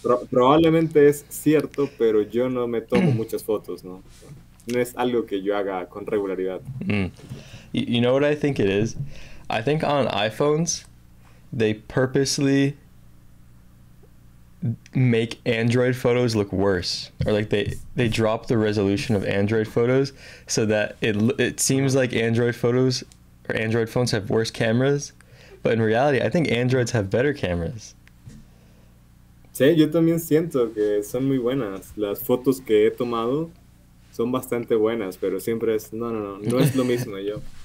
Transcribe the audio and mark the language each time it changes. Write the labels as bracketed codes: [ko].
[es] Probablemente es cierto, pero yo no me tomo muchas fotos, ¿no? No es algo que yo haga con regularidad. [en] You know what I think it is? I think on iPhones, they purposely make Android photos look worse, or like they drop the resolution of Android photos so that it seems like Android photos or Android phones have worse cameras, but in reality, I think Androids have better cameras. [es] Sí, yo también siento que son muy buenas. Las fotos que he tomado son bastante buenas, pero siempre es, no, no, no, no es lo mismo yo.